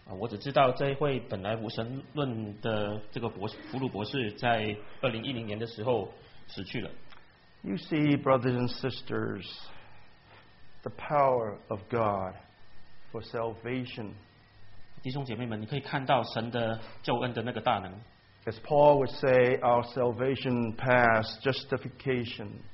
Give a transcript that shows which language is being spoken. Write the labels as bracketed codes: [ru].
[zh] 我只知道这位本来无神论的这个弗鲁博士在2010年的时候死去了。 [en] You see, brothers and sisters, the power of God for salvation. [zh] 弟兄姐妹们，你可以看到神的救恩的那个大能。 [en] As Paul would say, our salvation passed justification.